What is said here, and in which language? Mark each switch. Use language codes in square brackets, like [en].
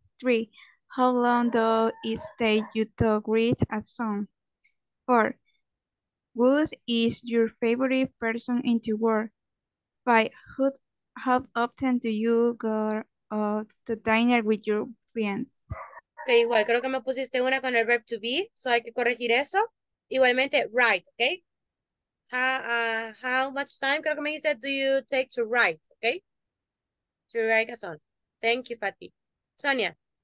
[en] Three, how long does it take you to write a song? Four, who is your favorite person in the world? Five, how often do you go to dinner with your friends? [es] Ok, igual, creo que me pusiste una con el verb to be, so hay que corregir eso. [en] Igualmente, write, ok? How much time, [es] creo que me dice, [en] do you take to write, ok? To write a song. Thank you, Fati. Sonia.